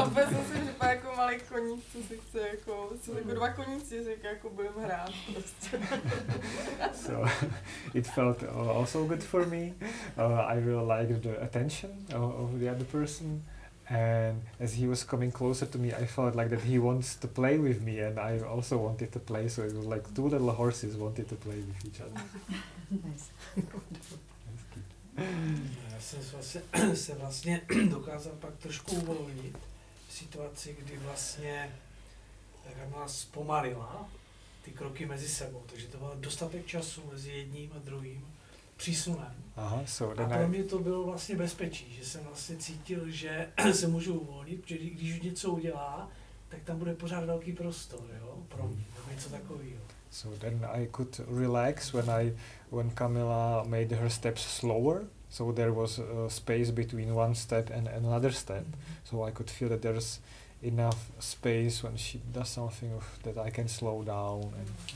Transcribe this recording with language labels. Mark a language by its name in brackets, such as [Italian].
[Czech] A pak jsem si říkala jako malý koník, co se chce, jako, co jako dva koníci, říká, jako budem hrát prostě. [English] So it felt also good for me. I really liked the attention of the other person. And as he was coming closer to me, I felt like that he wants to play with me, and I also wanted to play, so it was like two little horses wanted to play with each other. [Czech] Já jsem se vlastně dokázal pak trošku uvolnit v situaci, kdy vlastně Ramona zpomalila ty kroky mezi sebou, takže to bylo dostatek času mezi jedním a druhým přísunem. Aha, a pro mě to bylo vlastně bezpečí, že jsem vlastně cítil, že se můžu uvolnit, protože když něco udělá, tak tam bude pořád velký prostor, jo, pro mě, něco takového. [English] So then I could relax when Camilla made her steps slower, so there was a space between one step and another step, so I could feel that there's enough space when she does something that I can slow down and